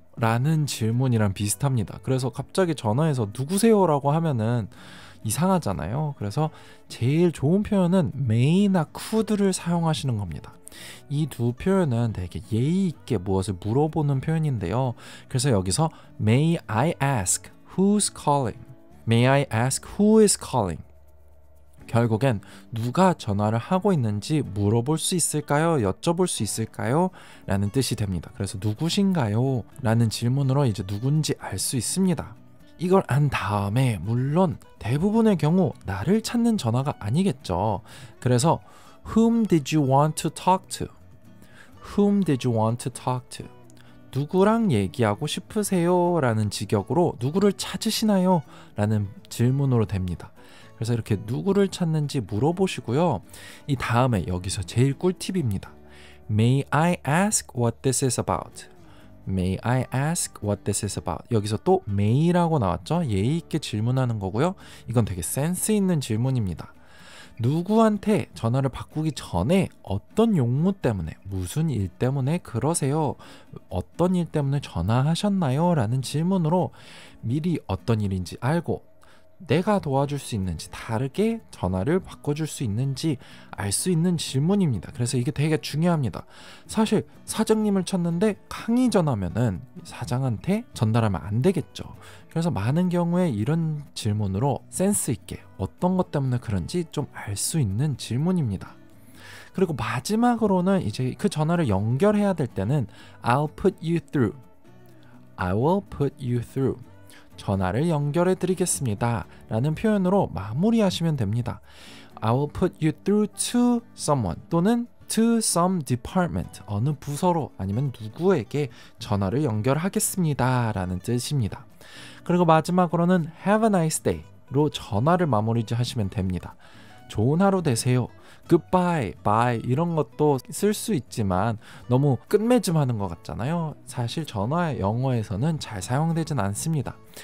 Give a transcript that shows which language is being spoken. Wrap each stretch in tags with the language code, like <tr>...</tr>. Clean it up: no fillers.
<ko>라는 질문이랑 비슷합니다. 그래서 갑자기 전화해서 누구세요? 라고 하면은 이상하잖아요. 그래서 제일 좋은 표현은 may나 could를 사용하시는 겁니다. 이 두 표현은 되게 예의 있게 무엇을 물어보는 표현인데요.</ko> <en>그래서 여기서 may I ask who's calling? May I ask who is calling?</en> <ko>결국엔 누가 전화를 하고 있는지 물어볼 수 있을까요? 여쭤볼 수 있을까요? 라는 뜻이 됩니다. 그래서 누구신가요? 라는 질문으로 이제 누군지 알 수 있습니다. 이걸 안 다음에 물론 대부분의 경우 나를 찾는 전화가 아니겠죠.</ko> <en>그래서 Whom did you want to talk to? Whom did you want to talk to?</en> <ko>누구랑 얘기하고 싶으세요? 라는 직역으로 누구를 찾으시나요? 라는 질문으로 됩니다. 그래서 이렇게 누구를 찾는지 물어보시고요. 이 다음에 여기서 제일 꿀팁입니다.</ko> <en>May I ask what this is about? May I ask what this is about?</en> <ko>여기서 또 may라고 나왔죠? 예의 있게 질문하는 거고요. 이건 되게 센스 있는 질문입니다. 누구한테 전화를 바꾸기 전에 어떤 용무 때문에, 무슨 일 때문에 그러세요? 어떤 일 때문에 전화하셨나요? 라는 질문으로 미리 어떤 일인지 알고 내가 도와줄 수 있는지, 다르게 전화를 바꿔줄 수 있는지 알 수 있는 질문입니다. 그래서 이게 되게 중요합니다. 사실 사장님을 찾는데 항의 전화면은 사장한테 전달하면 안 되겠죠. 그래서 많은 경우에 이런 질문으로 센스 있게 어떤 것 때문에 그런지 좀 알 수 있는 질문입니다. 그리고 마지막으로는 이제 그 전화를 연결해야 될 때는</ko> <en>I'll put you through. I will put you through.</en> <ko>전화를 연결해 드리겠습니다 라는 표현으로 마무리하시면 됩니다.</ko> <en>I will put you through to someone 또는 to some department</en> <ko>어느 부서로 아니면 누구에게 전화를 연결하겠습니다 라는 뜻입니다. 그리고 마지막으로는</ko> <en>have a nice day</en> <ko>로 전화를 마무리하시면 됩니다. 좋은 하루 되세요.</ko> <en>Goodbye, bye</en> <ko>이런 것도 쓸 수 있지만 너무 끝맺음하는 것 같잖아요. 사실 전화의 영어에서는 잘 사용되진 않습니다.</ko>